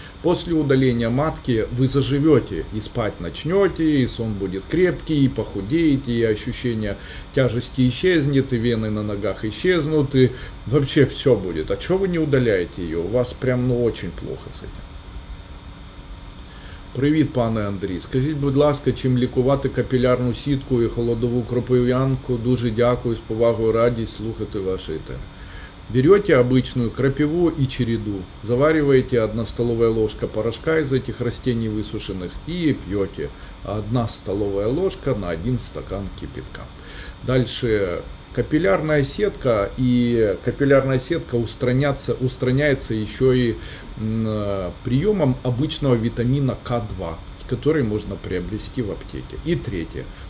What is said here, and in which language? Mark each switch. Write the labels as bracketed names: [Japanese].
[Russian] После удаления матки вы заживете, и спать начнете, и сон будет крепкий, и похудеете, и ощущение тяжести исчезнет, и вены на ногах исчезнут, и вообще все будет. А что вы не удаляете ее? У вас прям очень плохо с этим. [Ukrainian] Привет, пане Андрій. Скажіть, будь ласка, чим лікувати капілярну сітку і холодову кропив'янку? Дуже дякую, з повагою, радість слухати ваші теми. [Russian] Берете обычную крапиву и череду, завариваете 1 столовая ложка порошка из этих растений высушенных и пьете 1 столовая ложка на 1 стакан кипятка. Дальше капиллярная сетка, и капиллярная сетка устраняется еще и приемом обычного витамина К2, который можно приобрести в аптеке. И третье.